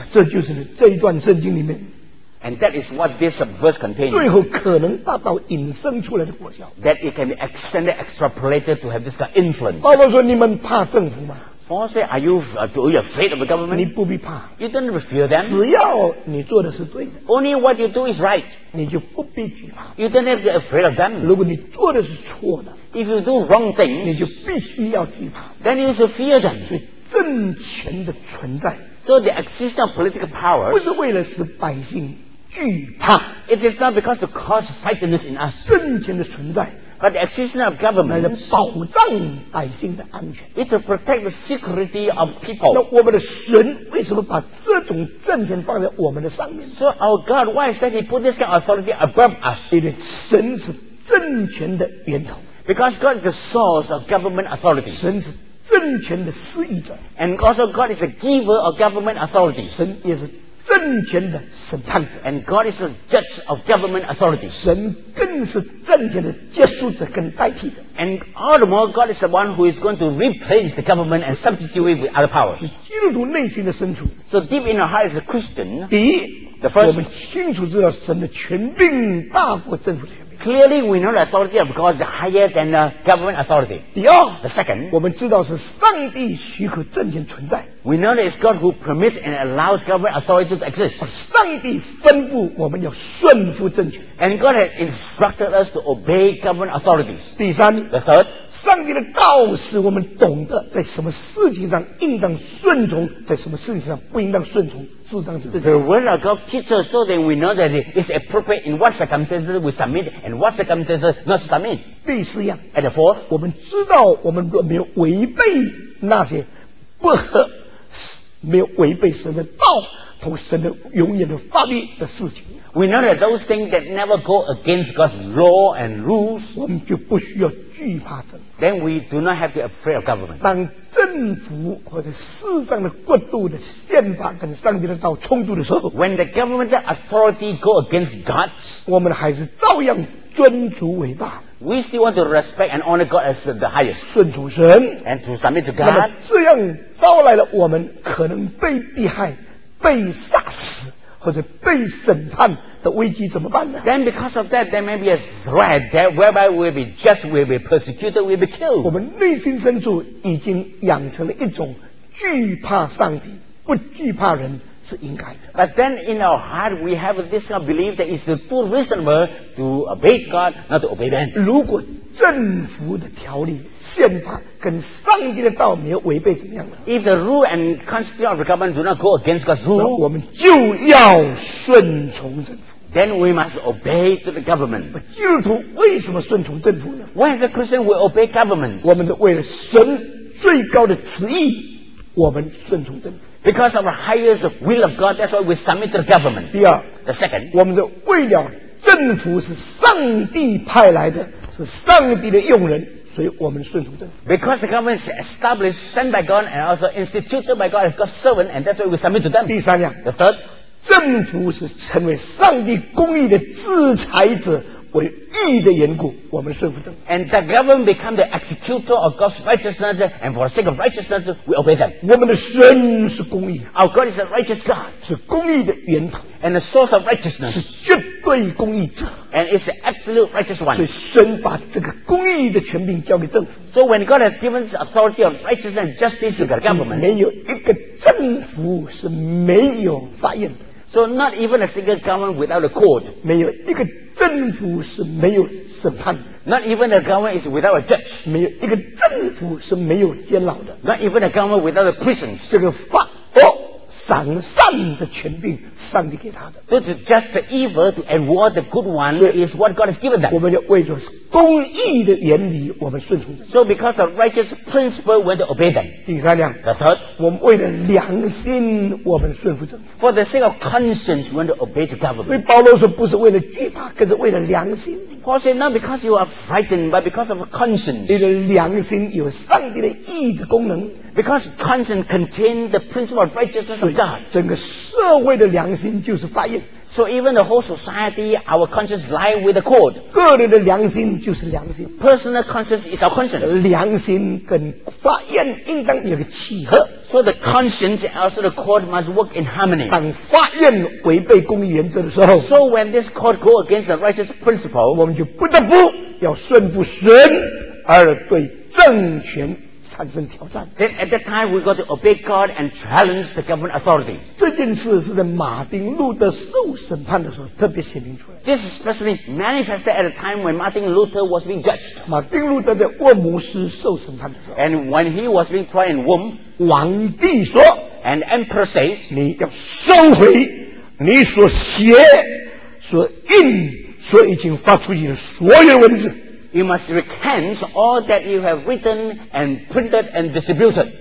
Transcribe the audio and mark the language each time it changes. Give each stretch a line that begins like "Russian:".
Chinese: 这就是这一段圣经里面。
English: And that is what this verse contains.
Chinese: 最后可能达到引申出来的果效。
English: That it can be extended, extrapolated to have this kind of influence.
Chinese: 保罗说：“你们怕政府吗？”
English: Paul said, "Are you afraid of the government?"
Chinese: 你不必怕。
English: You don't have to fear them.
Chinese: 只要你做的是对的。
English: Only what you do is right.
Chinese: 你就不必惧怕。
English: You don't have to be afraid of them.
Chinese: 如果你做的是错的。
English: If you do wrong things,
Chinese: 你就必须要惧怕。
English: Then you should fear them.
Chinese: 所以政权的存在。
English: So the existence of political power.
Chinese: 不是为了使百姓。惧怕
English: It is not because to cause frightenedness in us
Chinese: 政权的存在
English: But the existence of government
Chinese: 来保障百姓的安全
English: It will protect the security of people
Chinese: 那我们的神为什么把这种政权放在我们的上面
English: So our God why is that he put this kind of authority above us
Chinese: 因为神是政权的源头
English: Because God is the source of government authority
Chinese: 神是政权的施予者
English: And also God is the giver of government authority
Chinese: 神也是政权的审判者
English: and God is a judge of government authority
Chinese: 神更是政权的结束者跟代替者
English: and all the more God is the one who is going to replace the government and substitute it with other powers
Chinese: 基督徒内心的深处
English: so deep in our heart is a Christian
Chinese: 第一
English: the first,
Chinese: 我们清楚知道神的权柄大过政府的权柄
English: clearly we know the authority of God is higher than the government authority
Chinese: 第二
English: the second
Chinese: 我们知道是上帝许可政权存在
English: We know that it's God who permits and allows government authority to exist.
Chinese: 上帝吩咐我们要顺服政权。
English: And God has instructed us to obey government authorities.
Chinese: 第三
English: The third,
Chinese: 上帝的道使我们懂得在什么事情上应当顺从，在什么事情上不应当顺从，是这样子。
English: The word of God teaches us so that we know that it's appropriate in what circumstances we submit and what circumstances not submit.
Chinese: 第四样
English: And the fourth,
Chinese: 我们知道我们若没有违背那些不合没有违背神的道同神的永远的法律的事情
English: We know that those things that never go against God's law and rules
Chinese: 我们就不需要惧怕政府
English: Then we do not have to be afraid of government
Chinese: 当政府或者世上的国度的宪法跟上帝的道冲突的时候
English: When the government authority go against God
Chinese: 我们还是照样尊主伟大
English: We still want to respect and honor God as the highest
Chinese: 顺主神
English: And to submit to God
Chinese: 那么这样招来了我们可能被逼害被杀死或者被审判的危机怎么办呢
English: Then because of that there may be a threat that whereby we'll be judged we'll be persecuted we'll be killed
Chinese: 我们内心深处已经养成了一种惧怕上帝不惧怕人是应该的
English: But then in our heart we have this belief that it's too reasonable to obey God not to obey man
Chinese: 如果政府的条例、宪法跟上帝的道没有违背怎么样的
English: ？If the rule and constitution of the government do not go against God's rule，
Chinese: 我们就要顺从政府。
English: Then we must obey to the government。
Chinese: 基督徒为什么顺从政府呢
English: ？Why is a Christian we obey government？
Chinese: 我们为了神最高的旨意，我们顺从政府。
English: Because of the highest will of God, that's why we submit to the government。
Chinese: 第二
English: ，the second，
Chinese: 我们的为了政府是上帝派来的。是上帝的用人，所以我们顺从政府。
English: Because the government is established, sent by God, and also instituted by God as God's servant, and that's why we submit to them.
Chinese: 第三样
English: ，the third，
Chinese: 政府是成为上帝公义的制裁者，为义的缘故，我们顺服政府。
English: And the government become the executor of God's righteousness, and for the sake of righteousness, we obey them.
Chinese: 我们的神是公义
English: ，our God is a righteous God，
Chinese: 是公义的源头
English: ，and the source of righteousness，
Chinese: 是绝对公义者。
English: And it's the absolute righteous one.
Chinese: 所以神把这个公义的权柄交给政府。
English: So when God has given the authority of righteousness and justice to the government,
Chinese: 没有一个政府是没有法院的。
English: So not even a single government without a court.
Chinese: 没有一个政府是没有审判的。
English: Not even a government is without a judge.
Chinese: 没有一个政府是没有监牢的。
English: Not even a government without a prison.
Chinese: 这个法哦。赏善的权柄，上帝给他的。
English: So to judge the evil to reward the good one is what God has given them.
Chinese: 我们要为着公义的原理，我们顺从。
English: So because of righteous principle, we have to obey them.
Chinese: 第三样
English: ，the third，
Chinese: 我们为了良心，我们顺服政府。
English: For the sake of conscience, we have to obey the government.
Chinese: 所以保罗说，不是为了惧怕，可是为了良心。
English: Paul said, not because you are frightened, but because of conscience.
Chinese: 你的良心有上帝的义的功能。
English: Because conscience contains the principle of righteousness of God.
Chinese: 整个社会的良心就是法院。
English: So even the whole society, our conscience lies with the court.
Chinese: 个人的良心就是良心。
English: Personal conscience is our conscience.
Chinese: 良心跟法院应当有个契合。
English: So the conscience and also the court must work in harmony.
Chinese: 当法院违背公义原则的时候
English: ，So when this court goes against the righteous principle,
Chinese: 我们就不得不要顺服神，而对政权。
English: Then at that time we got to obey God and challenge the government authority.
Chinese: 这件事是在马丁路德受审判的时候特别显明出来。
English: This is especially manifested at a time when Martin Luther was being judged.
Chinese: 马丁路德在沃姆斯受审判的时候。
English: And when he was being tried in Worm,
Chinese: 王帝说
English: ，And emperor says,
Chinese: 你要收回你所写、所印、所已经发出去的所有文字。
English: You must recant all that you have written and printed and distributed.